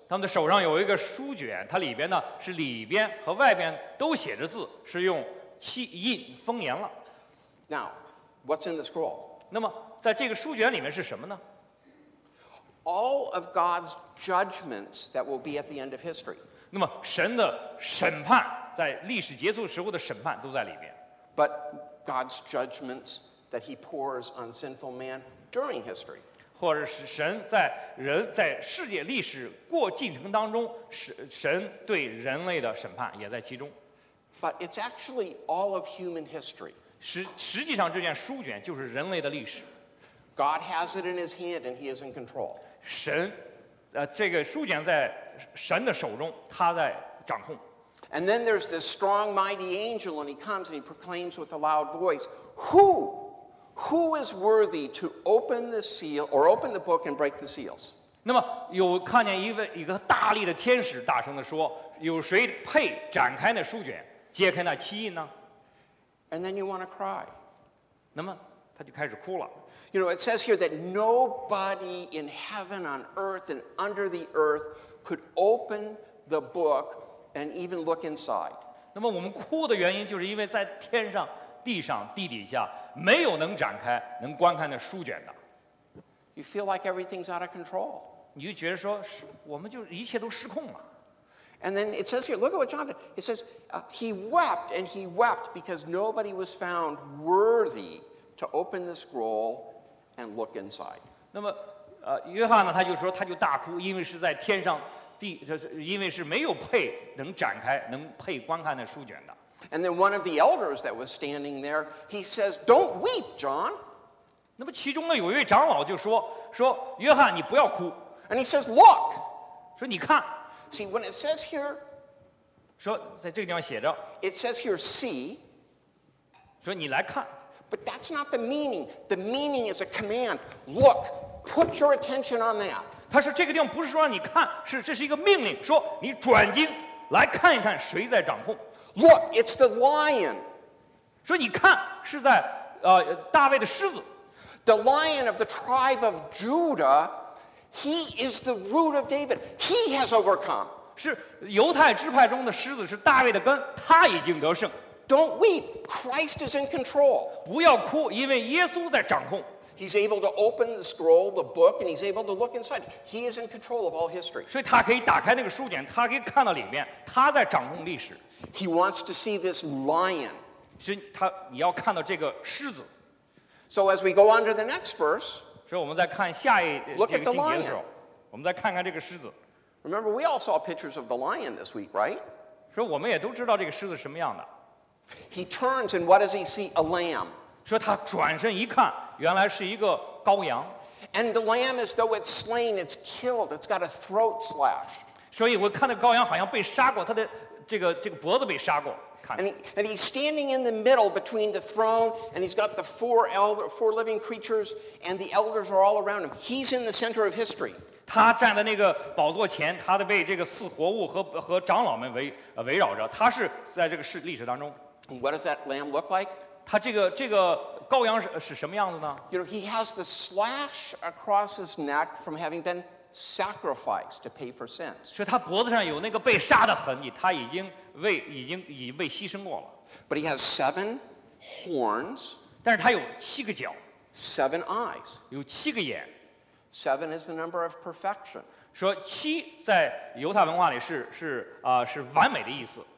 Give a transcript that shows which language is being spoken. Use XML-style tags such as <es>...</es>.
<zh>他们的手上有一个书卷，它里边呢是里边和外边都写着字，是用七印封严了。</zh> <en>Now, what's in the scroll?</en> <zh>那么在这个书卷里面是什么呢？</zh> <en>All of God's judgments that will be at the end of history.</en> <zh>那么神的审判在历史结束时候的审判都在里面。</zh> <en>But God's judgments that he pours on sinful man during history.</en> <zh>或者是神在人在世界历史过进程当中神对人类的审判也在其中。</zh> <en>But it's actually all of human history.</en> <zh>实际上这件书卷就是人类的历史。</zh> <en>God has it in his hand and he is in control.</en> <zh>神这个书卷在神的手中，他在掌控。</zh> <en>And then there's this strong, mighty angel, and he comes and he proclaims with a loud voice, "Who, who is worthy to open the seal or open the book and break the seals?"</en> <zh>那么有看见一个大力的天使大声地说，有谁配展开那书卷，揭开那七印呢？</zh> <en>And then you want to cry.</en> <zh>那么他就开始哭了。</zh> <en>You know, it says here that nobody in heaven, on earth, and under the earth could open the book and even look inside.</en> <zh>那么我们哭的原因就是因为在天上、地上、地底下没有能展开、能观看的书卷的。</zh> <en>You feel like everything's out of control.</en> <zh>你就觉得说我们就一切都失控了。</zh> <en>And then it says here, look at what John did. It says, he wept and he wept because nobody was found worthy to open the scroll and look inside.</en> <zh>那么约翰呢，他就大哭，因为是在天上地，因为是没有配能展开、能配观看的书卷的。</zh> <en>And then one of the elders that was standing there, he says, don't weep, John.</en> <zh>那么其中呢，有一位长老就说约翰，你不要哭。</zh> <en>And he says, look.</en> <zh>说你看。</zh> <en>See, when it says here,</en> <zh>说在这个地方写着</zh> <en>it says here, see,</en> <zh>说你来看</zh> <en>but that's not the meaning. The meaning is a command. Look, put your attention on that.</en> <zh>他说这个地方不是说让你看，是这是一个命令，说你转睛来看一看谁在掌控。</zh> <en>Look, it's the lion.</en> <zh>说你看是在大卫的狮子。</zh> <en>The lion of the tribe of Judah,He is the root of David. He has overcome.</en> <zh>是犹太支派中的狮子是大卫的根，他已经得胜。</zh> <en>Don't weep. Christ is in control.</en> <zh>不要哭，因为耶稣在掌控。</zh> <en>He's able to open the scroll, the book, and he's able to look inside. He is in control of all history.</en> <zh>所以他可以打开那个书卷，他可以看到里面，他在掌控历史。</zh> <en>He wants to see this lion.</en> <zh>是他，你要看到这个狮子。</zh> <en>So as we go on to the next verse.</en> <zh>所以我们再看下一这个经节的时候，我们再看看这个狮子。</zh> <en>Remember, we all saw pictures of the lion this week, right?</en> <zh>所以我们也都知道这个狮子什么样的。</zh> <en>He turns and what does he see? A lamb.</en> <zh>所以他转身一看，原来是一个羔羊。</zh> <en>And the lamb is though it's slain, it's killed, it's got a throat slashed.</en> <zh>所以我看到羔羊好像被杀过，他的这个脖子被杀过。</zh> <en>And he's standing in the middle between the throne, and he's got the four living creatures, and the elders are all around him. He's in the center of history.</en> <zh>他站在那个宝座前，他的被这个四活物和长老们围绕着。他是在这个历史当中。</zh> <en>What does that lamb look like?</en> <zh>他这个羔羊是什么样子呢？</zh> <en>You know, he has the slash across his neck from having been sacrificed to pay for sins.</en> <zh>所以他脖子上有那个被杀的痕迹，他已经被牺牲过了。</zh> <en>But he has seven horns.</en> <zh>但是他有七个角。</zh> <en>Seven eyes.</en> <zh>有七个眼。</zh> <en>Seven is the number of perfection.</en> <zh>说七在犹太文化里是完美的意思。</zh>